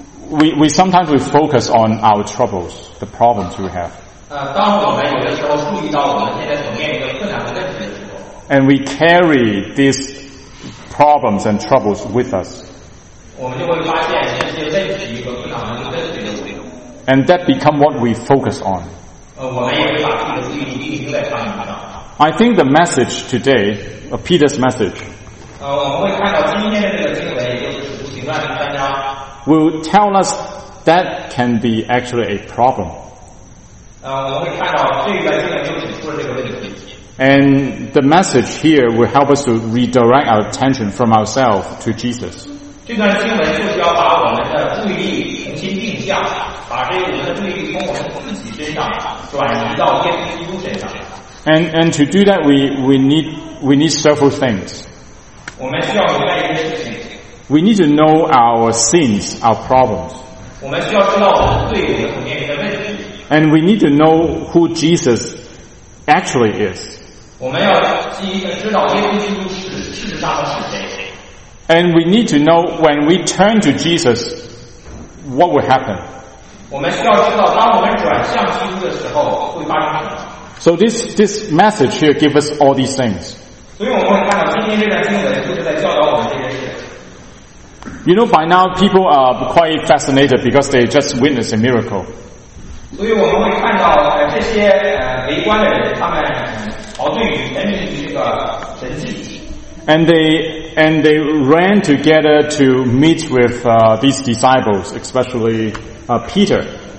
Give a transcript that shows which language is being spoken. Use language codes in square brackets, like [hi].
[en] We sometimes we focus on our troubles, the problems we have. [zh] 当我们有的时候注意到我们现在所面临的困难和问题的时候。 [en] And we carry these problems and troubles with us. [zh] 我们就会发现这些问题和困难都跟随着我们。 [en] And that become what we focus on. [zh] 我们也会把自己的注意力定睛在上面看到。 [en] I think the message today, Peter's message. [zh] 我们会看到今天的这个经文，也就是《使徒行传》第三章。 [en] Will tell us that can be actually a problem. [zh] 我们会看到这一段经文就指出了这个问题。 [en] And the message here will help us to redirect our attention from ourselves to Jesus. [zh] 这段经文就是要把我们的注意力重新定向，把这我们的注意力从我们自己身上转移到耶稣基督身上。 [en] And to do that, we need several things. [zh] 我们需要明白一些事情。 [en] We need to know our sins, our problems. [zh] 我们需要知道我们对我们所面临的问题。 [en] And we need to know who Jesus actually is. [zh] 我们要知道耶稣基督是事实上是谁。 [en] And we need to know when we turn to Jesus, what will happen. [zh] 我们需要知道当我们转向基督的时候会发生什么。 [en] So this message here gives us all these things. [zh] 所以我们会看到今天这段经文就是在教导我们这些事。 [en] You know, by now people are quite fascinated because they just witnessed a miracle. [zh] 所以我们会看到这些围观的人，他们陶醉于沉迷于这个神迹。 [en] And they And they ran together to meet with these disciples, especially Peter.